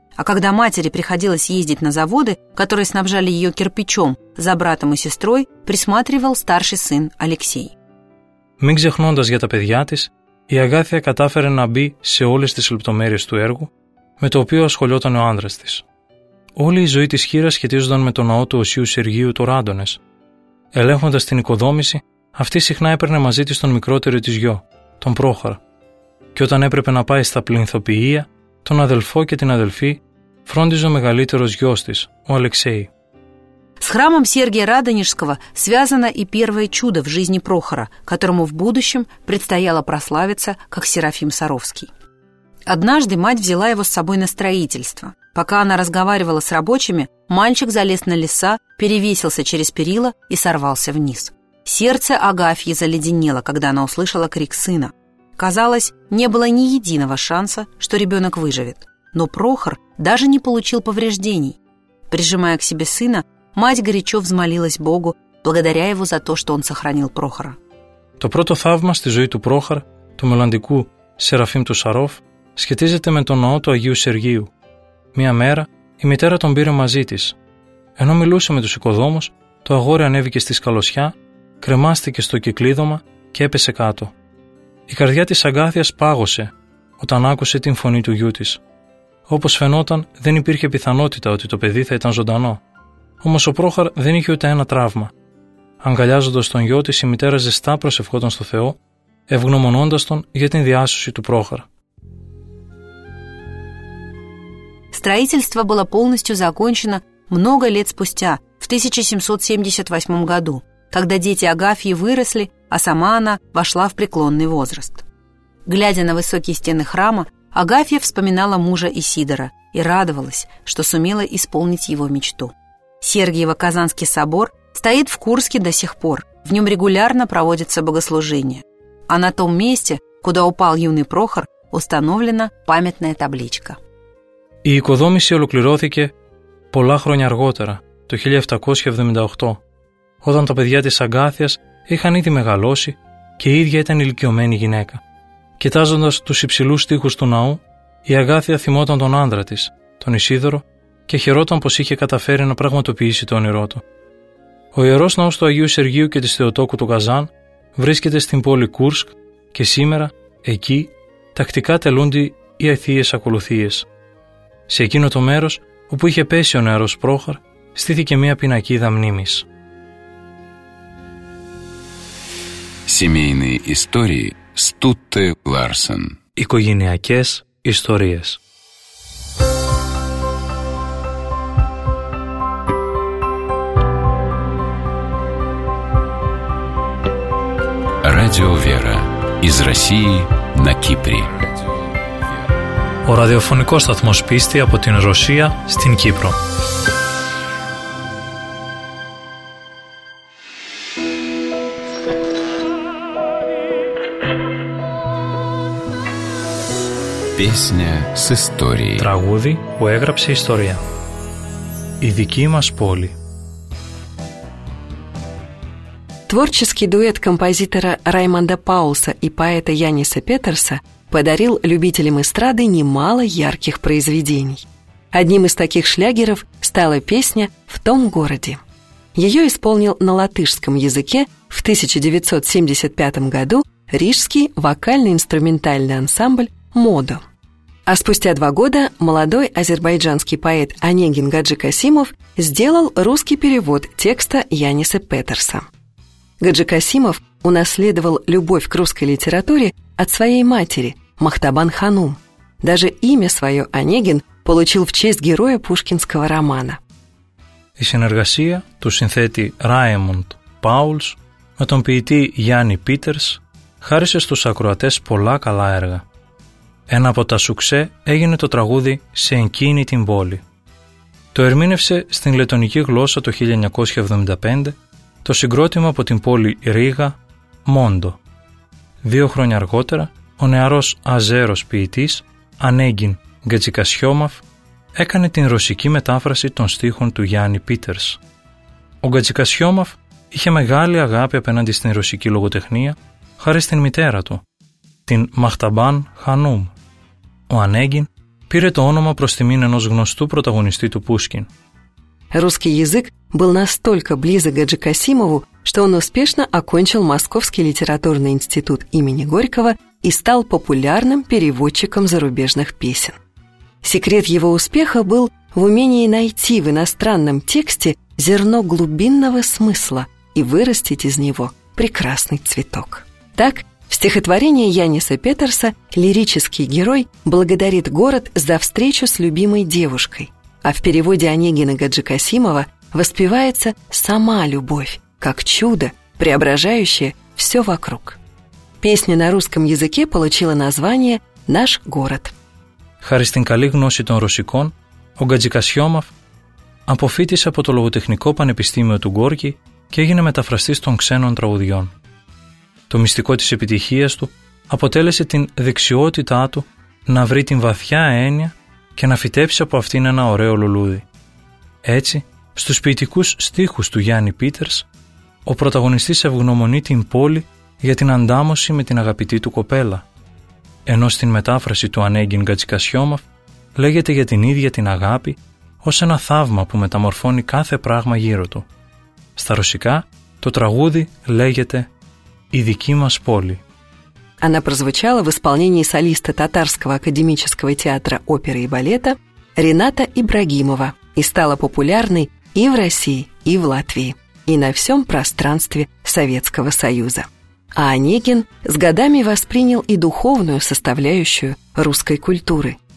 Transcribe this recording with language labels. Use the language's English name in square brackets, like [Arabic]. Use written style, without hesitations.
[Russian] А когда матери приходилось ездить на заводы, которые снабжали ее кирпичом, за братом и сестрой присматривал старший сын Алексей. [Greek] Мы ξεχνώντας για τα παιδιά της, η Αγκάθια κατάφερε να μπει σε όλες τις λεπτομέρειες του έργου με το οποίο ασχολιόταν ο άντρας της. Όλη η ζωή της χείρας σχετίζονταν με το ναό του Οσίου Σεργίου του Ράντονες. Ελέγχοντας την οικοδόμηση, αυτή συχνά έπαιρνε μαζί της τον μικρότερο της γιο, τον Πρόχορα. Και όταν έπρεπε να πάει στα πληνθοποιεία, τον αδελφό και την αδελφή φρόντιζε ο μεγαλύτερος γιος της, ο Αλεξέη. [Russian] С храмом Сергия Радонежского связано и первое чудо в жизни Прохора, которому в будущем предстояло прославиться как Серафим Саровский. Однажды мать взяла его с собой на строительство. Пока она разговаривала с рабочими, мальчик залез на леса, перевесился через перила и сорвался вниз. Сердце Агафьи заледенело, когда она услышала крик сына. Казалось, не было ни единого шанса, что ребенок выживет. Но Прохор даже не получил повреждений. Прижимая к себе сына, мать горячо взмолилась Богу, благодаря его за то, что он сохранил Прохора. [Greek] То прото θαύμα στη ζωή του Прохора, του μελλοντικού Серафим του Саров, σχετίζεται με τον ναό του Αγίου Σεργίου. Μία μέρα, η μητέρα τον πήρε μαζί της. Ενώ μιλούσε με τους οικοδόμους, το αγόρι ανέβηκε στη σκαλοσιά, κρεμάστηκε στο κυκλίδωμα και έπεσε κάτω. Η καρδιά της Αγκάθιας πάγωσε όταν άκουσε την φωνή του γιού της. Όπως φαινόταν, δεν υπήρχε πιθανότητα ότι το παιδί θα ήταν ζωντανό. Όμως ο Πρόχορ δεν είχε ούτε ένα τραύμα. Αγκαλιάζοντας τον γιο της, η μητέρα ζεστά προσευχόταν στο Θεό, ευγνωμονώντας τον για την διάσωση του Πρόχορ. [Russian] Строительство было полностью закончено много лет спустя, в 1778 году, когда дети Агафьи выросли, а сама она вошла в преклонный возраст. Глядя на высокие стены храма, Агафья вспоминала мужа Исидора и радовалась, что сумела исполнить его мечту. Сергиево-Казанский собор стоит в Курске до сих пор, в нем регулярно проводятся богослужения. А на том месте, куда упал юный Прохор, установлена памятная табличка. [Greek] Η οικοδόμηση ολοκληρώθηκε πολλά χρόνια αργότερα, το 1778, όταν τα παιδιά της Αγκάθιας είχαν ήδη μεγαλώσει και η ίδια ήταν ηλικιωμένη γυναίκα. Κοιτάζοντας τους υψηλούς τοίχους του ναού, η Αγκάθια θυμόταν τον άντρα της, τον Ισίδωρο, και χαιρόταν πως είχε καταφέρει να πραγματοποιήσει το όνειρό του. Ο ιερός ναός του Αγίου Σεργίου και της Θεοτόκου του Καζάν βρίσκεται στην πόλη Κούρσκ και σήμερα, εκεί, τακτικά τελούνται οι αηθείες ακολουθίες. Σε εκείνο το μέρος όπου είχε πέσει ο νεαρός Πρόχορ, στήθηκε μια πινακίδα μνήμης. [Russian] Семейные истории Стутте Ларсен. [Greek] Οικογενειακές ιστορίες. [Russian] Радио Вера из России на Кипре. [Greek] Ο ραδιοφωνικός σταθμός πίστη από την Ρωσία στην Κύπρο. [Russian] Песня с историей. [Greek] Τραγούδι που έγραψε ιστορία. Η δική μας πόλη. [Russian] Творческий дуэт композитора Раймонда Паулса и поэта Яниса Петерса подарил любителям эстрады немало ярких произведений. Одним из таких шлягеров стала песня «В том городе». Ее исполнил на латышском языке в 1975 году рижский вокально-инструментальный ансамбль «Модо». А спустя два года молодой азербайджанский поэт Онегин Гаджи Касимов сделал русский перевод текста Яниса Петерса. Гаджи Касимов унаследовал любовь к русской литературе от своей матери, Махтабан Ханум. Даже имя свое Онегин получил в честь героя пушкинского романа. [Greek] Η συνεργασία του συνθέτη Raymond Pauls με τον ποιητή Γιάννη Πίτερς χάρισε στους ακροατές πολλά καλά έργα. Ένα από τα σουξέ έγινε το τραγούδι «Σε εκείνη την πόλη». Το ερμήνευσε στην λετωνική γλώσσα το 1975 το συγκρότημα από την πόλη Ρίγα, Μόντο. Δύο χρόνια αργότερα, ο νεαρός αζέρος ποιητής, Ανέγκιν Γκατζικασιόμαφ, έκανε την ρωσική μετάφραση των στίχων του Γιάννη Πίτερς. Ο Γκατζικασιόμαφ είχε μεγάλη αγάπη απέναντι στην ρωσική λογοτεχνία, χάρη στην μητέρα του, την Μαχταμπάν Χανούμ. Ο Ανέγκιν πήρε το όνομα προς τιμήν ενός γνωστού πρωταγωνιστή του Πούσκιν. [Russian] Русский язык был настолько близок Гаджи Касимову, что он успешно окончил Московский литературный институт имени Горького и стал популярным переводчиком зарубежных песен. Секрет его успеха был в умении найти в иностранном тексте зерно глубинного смысла и вырастить из него прекрасный цветок. Так, в стихотворении Яниса Петерса лирический герой благодарит город за встречу с любимой девушкой, а в переводе Онегина Гаджи Касимова воспевается сама любовь, как чудо, преображающее все вокруг. Песня на русском языке получила название «Наш город». [Greek] Χάρη στην καλή γνώση των ρωσικών, ο Γκατζι Κασιόμαφ αποφύτησε από το Λογοτεχνικό Πανεπιστήμιο του Γκόρκη και έγινε μεταφραστής των ξένων τραγουδιών. Το μυστικό της επιτυχίας του αποτέλεσε την δεξιότητά του να βρει την βαθιά έννοια και να φυτέψει από αυτήν ένα ωραίο λουλούδι. Έτσι, στους ποιητικούς στίχους του Γιάννη Πίτερς, ο πρωταγωνιστής ευγνωμονεί την πόλη για την αντάμωση με την αγαπητή του κοπέλα, ενώ στην μετάφραση του Ανέγκιν Γκατζικασιόμαφ λέγεται για την ίδια την αγάπη ως ένα θαύμα που μεταμορφώνει κάθε πράγμα γύρω του. Στα ρωσικά, το τραγούδι λέγεται «Η δική μας πόλη». [Russian] Она прозвучала в исполнении солиста Татарского академического театра оперы и балета Рената Ибрагимова и стала популярной и в России, и в Латвии, и на всем пространстве Советского Союза. А Онегин с годами воспринял и духовную составляющую русской культуры.